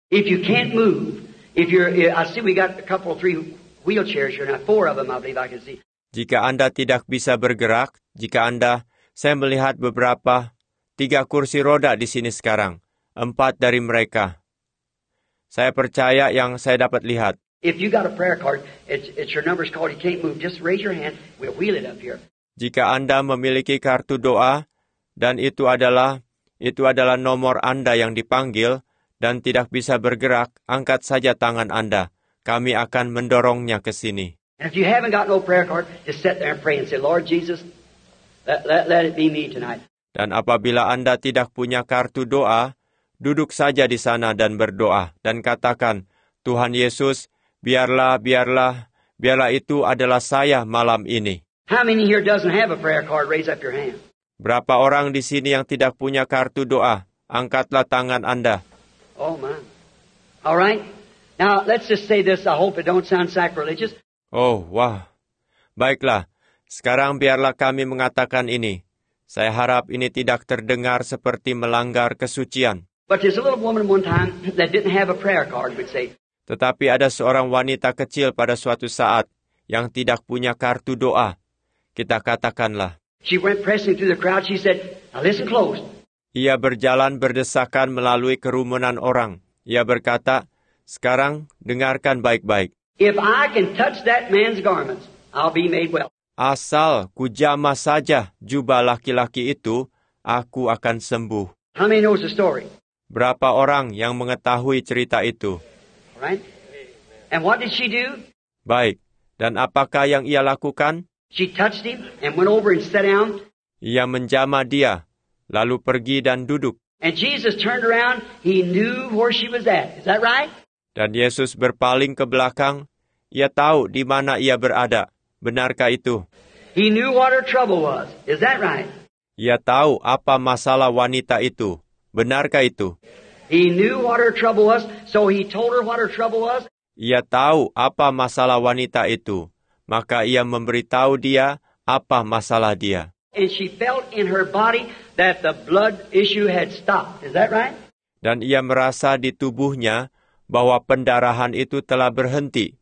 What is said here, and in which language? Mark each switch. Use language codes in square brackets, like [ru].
[en] If you can't move, if you're, I see we got a couple, three wheelchairs here, now four of them, I believe I can see. [id] Jika Anda tidak bisa bergerak, jika Anda, saya melihat beberapa, tiga kursi roda di sini sekarang, empat dari mereka. Saya percaya yang saya dapat lihat. [en] If you got a prayer card, it's your number's called, you can't move, just raise your hand, we'll wheel it up here. [id] Jika Anda memiliki kartu doa, dan itu adalah nomor Anda yang dipanggil, dan tidak bisa bergerak, angkat saja tangan Anda. Kami akan mendorongnya ke sini. [en] And if you haven't got no prayer card, just sit there and pray and say, Lord Jesus, let it be me tonight. [id] Dan apabila Anda tidak punya kartu doa, duduk saja di sana dan berdoa dan katakan, Tuhan Yesus, biarlah itu adalah saya malam ini. [en] How many here doesn't have a prayer card? Raise up your hand. [id] Berapa orang di sini yang tidak punya kartu doa? Angkatlah tangan Anda. [en] Oh man. All right. Now, let's just say this. I hope it don't sound sacrilegious. [id] Oh, wah. Baiklah. Sekarang biarlah kami mengatakan ini. Saya harap ini tidak terdengar seperti melanggar kesucian. [en] But there's a little woman one time that didn't have a prayer card, would say. [id] Tetapi ada seorang wanita kecil pada suatu saat yang tidak punya kartu doa. Kita katakanlah. [en] She went pressing through the crowd. She said, "Now listen close." [id] Ia berjalan berdesakan melalui kerumunan orang. Ia berkata, "Sekarang dengarkan baik-baik. [en] If I can touch that man's garments, I'll be made well." [id] Asal kujamah saja jubah laki-laki itu, aku akan sembuh. [en] How many knows the story? [id] Berapa orang yang mengetahui cerita itu? [en] Right. And what did she do? [id] Baik. Dan apakah yang ia lakukan? [en] She touched him and went over and sat down. [id] Ia menjamah dia, lalu pergi dan duduk. [en] And Jesus turned around. He knew where she was at. Is that right? [id] Dan Yesus berpaling ke belakang. Ia tahu di mana ia berada. Benarkah itu? [en] He knew what her trouble was. Is that right? [id] Ia tahu apa masalah wanita itu. Benarkah itu? [en] He knew what her trouble was, so he told her what her trouble was. [id] Ia tahu apa masalah wanita itu. Maka ia memberitahu dia apa masalah dia. [en] And she felt in her body that the blood issue had stopped. Is that right? [id] Dan ia merasa di tubuhnya bahwa pendarahan itu telah berhenti.